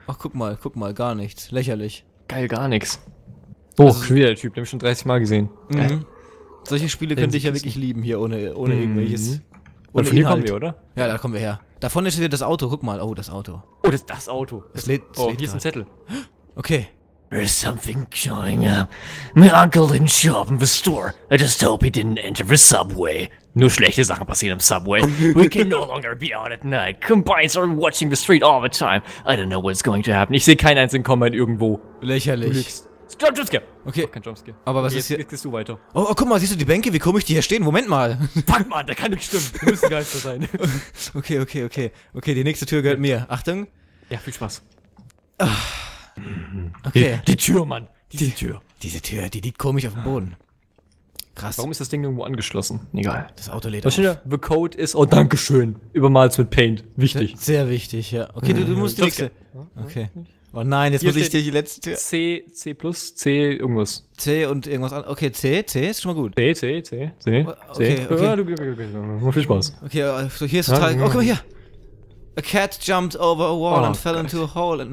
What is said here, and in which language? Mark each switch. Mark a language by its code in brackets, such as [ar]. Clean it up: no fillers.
[de] Ach, guck mal, gar nichts. Lächerlich. Geil, gar nichts. Oh, also, wieder der Typ, den hab ich schon 30 Mal gesehen. Mhm. Solche Spiele könnte ich ja wirklich lieben hier, ohne irgendwelches. Und von hier kommen wir, oder? Ja, da kommen wir her. Da vorne steht das Auto, guck mal. Oh, das Auto. Oh, das Auto. Das lädt hier ist ein Zettel. Okay. [en] There's something showing up. My uncle didn't show up in the store. I just hope he didn't enter the subway. [de] Nur schlechte Sachen passieren im Subway. [en] We can no longer be out at night. Combines are watching the street all the time. I don't know what's going to happen. [de] Ich sehe keinen einzigen Combine irgendwo. Lächerlich. Jumpscare. Okay. Kein Jumpscare. Aber was ist hier? Jetzt gehst du weiter. Oh, guck mal, siehst du die Bänke? Wie komisch die hier stehen? Moment mal. Fuck, Mann, da kann nicht stimmen. Wir müssen Geister sein. Okay. Okay, die nächste Tür gehört mir. Achtung. Ja, viel Spaß. Okay. Die Tür, Mann. Die Tür. Diese Tür, die liegt komisch auf dem Boden. Krass. Warum ist das Ding irgendwo angeschlossen? Egal. Das Auto lädt auf. The Code ist... Oh, danke schön. Übermals mit Paint. Wichtig. Sehr wichtig, ja. Okay, du musst die nächste. Okay. Oh nein, jetzt hier muss ich dir die letzte Tür... C plus, C irgendwas. C und irgendwas an. Okay, C ist schon mal gut. C. Okay. Viel Spaß. Okay, so hier ist total... Oh, guck mal hier. [en] A cat jumped over a wall and fell into a hole and